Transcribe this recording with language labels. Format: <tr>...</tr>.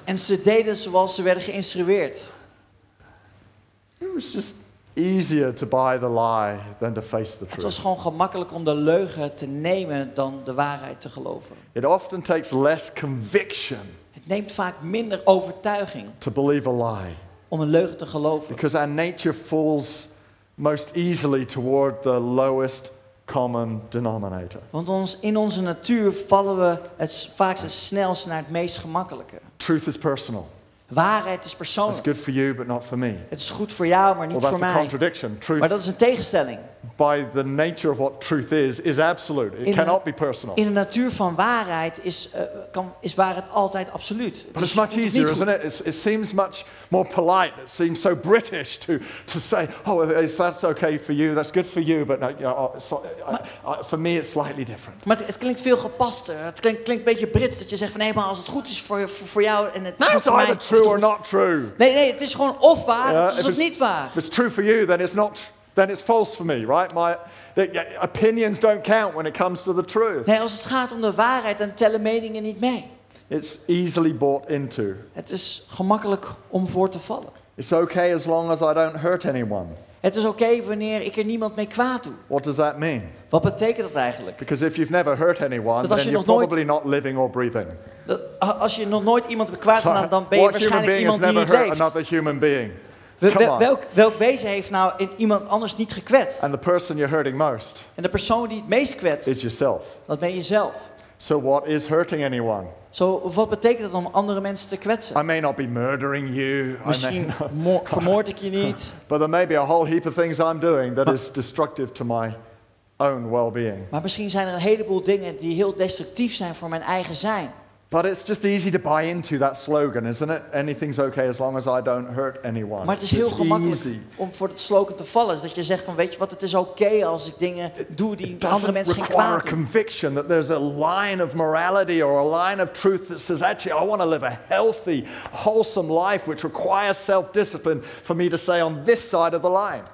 <nl>En ze deden zoals ze werden geïnstrueerd.</nl> <en>It was just easier to buy the lie than to face the truth.</en> <nl>Het was gewoon gemakkelijk om de leugen te nemen dan de waarheid te geloven.</nl> <en>It often takes less conviction.</en> <nl>Het neemt vaak minder overtuiging.</nl> <en>To believe a lie.</en> <nl>Om een leugen te geloven.</nl> <en>Because our nature falls most easily toward the lowest common denominator.</en> <nl>Want ons, in onze natuur vallen we het vaak het snelst naar het meest gemakkelijke.</nl> <en>Truth is personal.</en> <nl>Waarheid is persoonlijk.</nl> <en>It's good for you, but not for me.</en> <nl>Het is goed voor jou, maar niet</nl> <en>well,</en> <nl>voor mij.</nl> <en>That's a contradiction. Truth.</en> <nl>Maar dat is een tegenstelling.</nl> <en>By the nature of what truth is absolute. It cannot be personal.</en> <nl>In de natuur van waarheid is is waarheid altijd absoluut.</nl> <en>But it's much easier, isn't it? It seems much more polite. It seems so British to say, oh, is that okay for you? That's good for you, but no, you know, so, for me it's slightly different.</en> <nl>Maar het klinkt veel gepaster. Het klinkt een beetje Brits dat je zegt van, nee, maar als het goed is voor jou en het is goed voor mij.</nl> <en>Either true or not true.</en> <nl>Nee, het is gewoon of waar, of het is niet waar.</nl> <en>If it's true for you, then it's not. Then it's false for me, right? Opinions don't count when it comes to the truth.</en> <nl>Nee, als het gaat om de waarheid, dan tellen meningen niet mee.</nl> <en>It's easily bought into.</en> <nl>Het is gemakkelijk om voor te vallen.</nl> <en>It's okay as long as I don't hurt anyone.</en> <nl>Het is okay wanneer ik er niemand mee kwaad doe.</nl> <en>What does that mean?</en> <nl>Wat betekent dat eigenlijk?</nl> <en>Because if you've never hurt anyone, then you're probably not living or breathing.</en> <nl>Als je nog nooit iemand kwaad gedaan, dan ben je waarschijnlijk iemand die niet leeft.</nl> <en>Another human being.</en> <nl>Welk wezen heeft nou iemand anders niet gekwetst?</nl> <en>And the person you're hurting most.</en> <nl>En de persoon die het meest kwetst.</nl> <en>Is yourself.</en> <nl>Dat ben jezelf.</nl> <en>So what is hurting anyone?</en> <nl>So wat betekent het om andere mensen te kwetsen?</nl> <en>I may not be murdering you.</en> <nl>Misschien vermoord ik je niet.</nl> <en>But there may be a whole heap of things I'm doing that is destructive to my own well-being.</en> <nl>Maar misschien zijn er een heleboel dingen die heel destructief zijn voor mijn eigen zijn.</nl> <en>But it's just easy to buy into that slogan, isn't it? Anything's okay as long as I don't hurt anyone.</en> <nl>Maar het is heel gemakkelijk om voor het slogan te vallen, dat je zegt van, weet je wat? Het is okay als ik dingen doe die andere mensen geen kwaad doen.</nl> <en>It doesn't require conviction that there's a line of morality or a line of truth that says actually I want to live a healthy, wholesome life which requires self-discipline for me to say on this side of the line.</en>